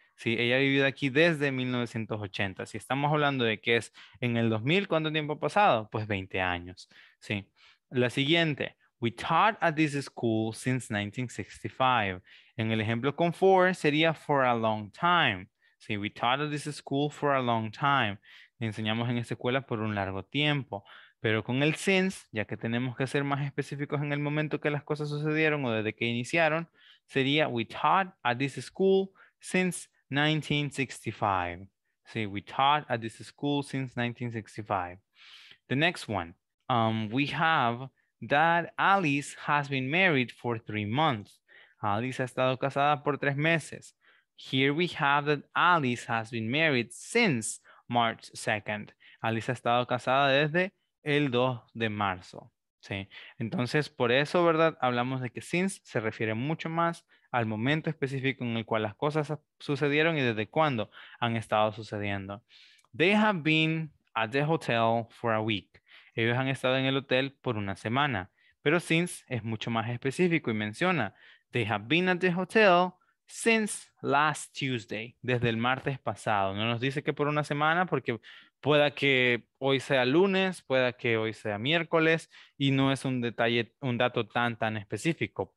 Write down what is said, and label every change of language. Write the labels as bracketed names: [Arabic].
[Spanish] Sí, ella ha vivido aquí desde 1980. Si estamos hablando de que es en el 2000, ¿cuánto tiempo ha pasado? Pues 20 años. Sí. La siguiente. [English] We taught at this school since 1965. [Spanish] En el ejemplo con for, sería [English] for a long time. Sí, we taught at this school for a long time. [Spanish] Enseñamos en esta escuela por un largo tiempo. Pero con el since, ya que tenemos que ser más específicos en el momento que las cosas sucedieron o desde que iniciaron, sería [English] we taught at this school since 1965. [Spanish] See, we taught at this school since 1965. [English] The next one, we have that Alice has been married for 3 months. [Spanish] Alice ha estado casada por 3 meses. [English] Here we have that Alice has been married since March 2nd. [Spanish] Alice ha estado casada desde el 2 de marzo. Sí. Entonces, por eso, ¿verdad? Hablamos de que since se refiere mucho más al momento específico en el cual las cosas sucedieron y desde cuándo han estado sucediendo. [English] They have been at the hotel for a week. [Spanish] Ellos han estado en el hotel por una semana. Pero since es mucho más específico y menciona, [English] they have been at the hotel since last Tuesday, [Spanish] desde el martes pasado. No nos dice que por una semana porque pueda que hoy sea lunes, pueda que hoy sea miércoles y no es un detalle, un dato tan, tan específico.